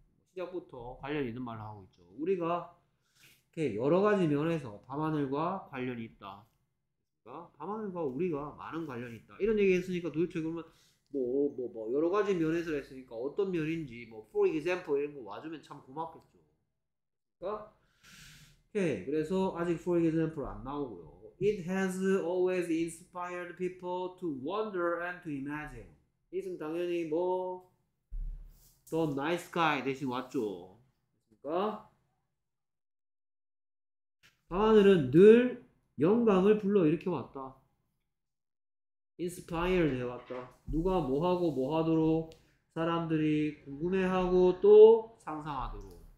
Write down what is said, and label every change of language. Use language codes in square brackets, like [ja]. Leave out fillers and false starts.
[ko] 시작부터 관련 있는 말을 하고 있죠. 우리가 이렇게 여러가지 면에서 밤하늘과 관련이 있다. 밤하늘과 우리가 많은 관련이 있다 이런 얘기 했으니까 도대체 그러면 뭐 여러 가지 면에서 했으니까 어떤 면인지 뭐 for example 이런 거 와주면 참 고맙겠죠. 그러니까 오케이. 그래서 아직 for example 안 나오고요. [en] It has always inspired people to wonder and to imagine. [ko] 이것은 당연히 뭐 the night sky 대신 왔죠. 그러니까 밤하늘은 늘 영감을 불러일으켜 왔다. Inspired 해왔다. 누가 뭐하고 뭐하도록 사람들이 궁금해하고 또 상상하도록.